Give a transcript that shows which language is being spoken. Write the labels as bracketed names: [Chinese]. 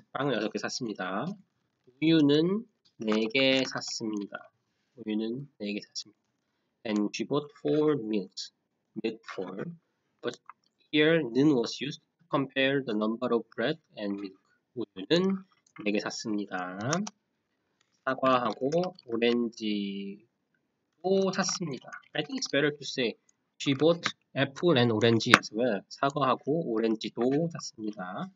[Korean] 빵을 6개 샀습니다. 우유는 4개 샀습니다. 우유는 4개 샀습니다. [English] And she bought 4 milks. Milk 4. But here, nin was used to compare the number of bread and milk. [Korean] 우유는 4개 샀습니다. 사과하고 오렌지도 샀습니다. [English] I think it's better to say she bought apple and orange as well. [Korean] 사과하고 오렌지도 샀습니다.